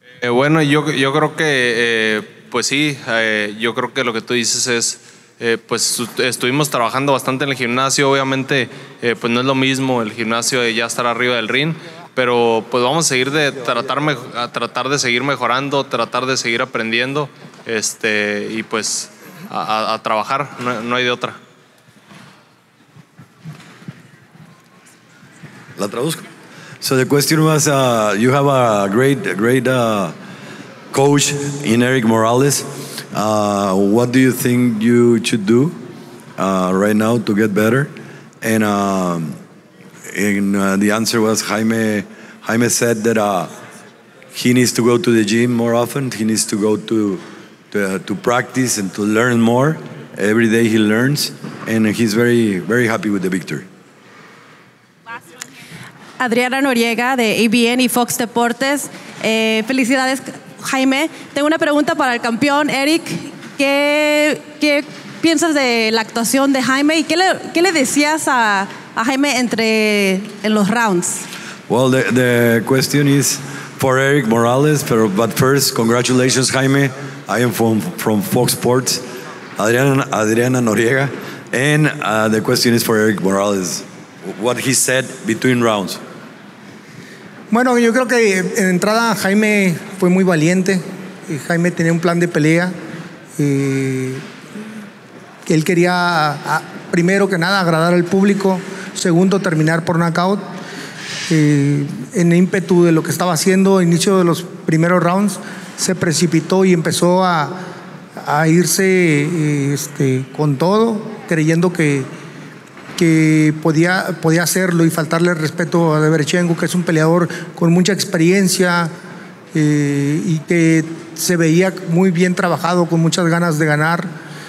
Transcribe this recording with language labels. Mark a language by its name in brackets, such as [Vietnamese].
[Spanish] Bueno, yo creo que, pues sí, yo creo que lo que tú dices es pues estuvimos trabajando bastante en el gimnasio, obviamente pues no es lo mismo el gimnasio de ya estar arriba del ring, pero pues vamos a seguir a tratar de seguir mejorando, tratar de seguir aprendiendo y pues a trabajar, no hay de otra. La traduzco. [English] So the question was, you have a great coach in Eric Morales. What do you think you should do right now to get better? And the answer was Jaime said that he needs to go to the gym more often. He needs to go to practice and to learn more. Every day he learns, and he's very, very happy with the victory. [Spanish] Adriana Noriega de ABN y Fox Deportes. Felicidades, Jaime. Tengo una pregunta para el campeón, Eric. ¿Qué piensas de la actuación de Jaime? ¿Y qué le decías a Jaime en los rounds? [English] Well, the question is for Eric Morales, but first, congratulations, Jaime. I am from Fox Sports, Adriana Noriega. And the question is for Eric Morales, what he said between rounds. [Spanish] Bueno, yo creo que en entrada Jaime fue muy valiente. Jaime tenía un plan de pelea. Él quería, primero que nada, agradar al público. Segundo, terminar por knockout. En ímpetu de lo que estaba haciendo, inicio de los primeros rounds, se precipitó y empezó a irse con todo, creyendo que podía hacerlo y faltarle respeto a Derevyanchenko, que es un peleador con mucha experiencia y que se veía muy bien trabajado, con muchas ganas de ganar.